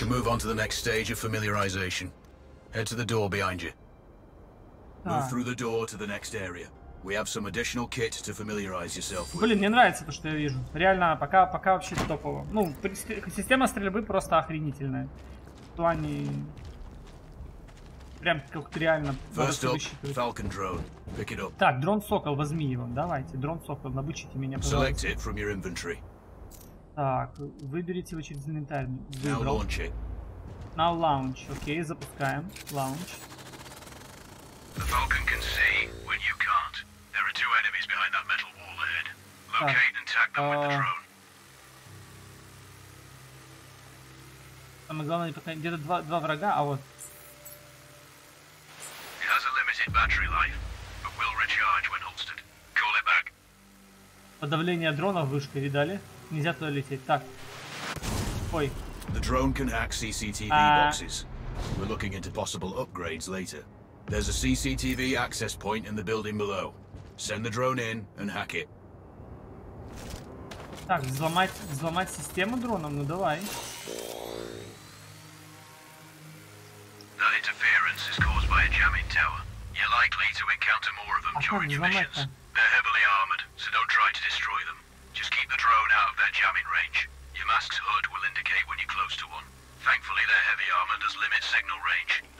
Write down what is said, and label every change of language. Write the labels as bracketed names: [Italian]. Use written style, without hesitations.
[English] We can move on to the next stage of familiarization. Head to the door behind you. [Russian] Так. [English] Move through the door to the next area. We have some additional kit to familiarize yourself with. [Russian] Блин, мне нравится то, что я вижу. Реально, пока вообще топово. Ну, система стрельбы просто охренительная. В плане... Прям как-то реально... [English] First up, Falcon drone. Pick it up. [Russian] Так, дрон-сокол, возьми его. Давайте, дрон-сокол, обучите меня, пожалуйста. [English] Select it from your inventory. [Russian] Так, выберите его через инвентарь. [English] Now launch it. Now launch. [Russian] Окей, запускаем. [English] Launch. The Falcon can see when you can't. There are two enemies behind that metal wall ahead. Locate and tag them with the drone. [Russian] Самое главное, где-то два врага, а вот. [English] It has a limited battery life, but will recharge when holstered. Call it back. [Russian] Подавление дронов вышка, видали? Нельзя туда лететь. Так. Ой. [English] The drone can hack CCTV boxes. We're looking into possible upgrades later. There's a CCTV access point in the building below. Send the drone in and hack it. [Russian] Так, взломать систему дроном, ну давай. [English] That interference is caused by a jamming tower. You're likely to encounter more of them during your missions. They're heavily armored, so don't try to destroy them. Just keep the drone out of their jamming range. Your mask's HUD will indicate when you're close to one. Thankfully, their heavy armor does limit signal range.